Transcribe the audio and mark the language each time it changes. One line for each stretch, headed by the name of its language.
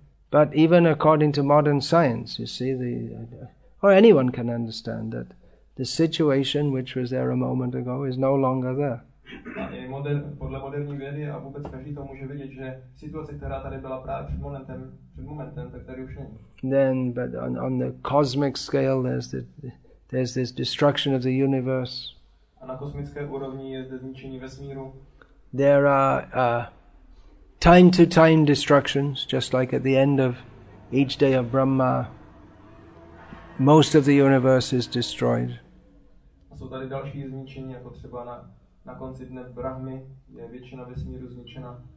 English: But even according to modern science, you see, or anyone can understand that the situation which was there a moment ago is no longer there.
Czech: Podle moderní vědy a vůbec každý to může vidět, že situace, která tady byla právě před momentem, tak tady už není.
English: Then, but on the cosmic scale, there's this destruction of the universe.
Czech: A na kosmické úrovni je zde zničení vesmíru.
English: There are time-to-time destructions, just like at the end of each day of Brahma, most of the universe is destroyed.
Czech: A jsou tady další zničení, jako třeba na konci dne Brahmy je většina vesmíru zničena.